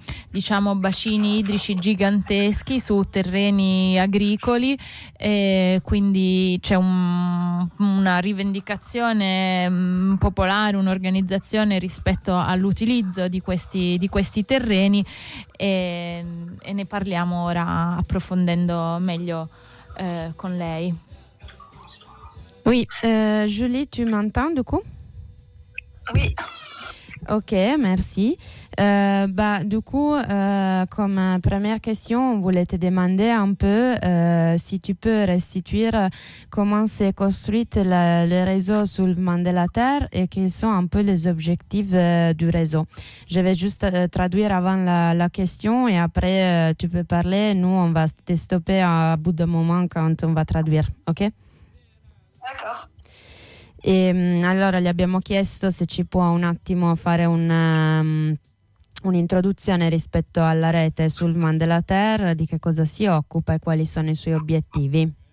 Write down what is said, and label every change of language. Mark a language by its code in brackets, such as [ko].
[it] diciamo bacini idrici giganteschi su terreni agricoli, e quindi c'è una rivendicazione popolare, un'organizzazione rispetto all'utilizzo di questi terreni, e ne parliamo ora approfondendo meglio con lei. [fr] Oui, Julie, tu m'entends du coup? Oui. Ok, merci. Du coup, comme première question, on voulait te demander un peu si tu peux restituer comment s'est construite le réseau Soulèvement de la Terre et quels sont un peu les objectifs du réseau. Je vais juste traduire avant la question et après tu peux parler. Nous, on va te stopper à bout d'un moment quand on va traduire, ok? D'accord. [it] E allora gli abbiamo chiesto se ci può un attimo fare un'introduzione rispetto alla rete Soulèvement de la Terre, di che cosa si occupa e quali sono i suoi obiettivi.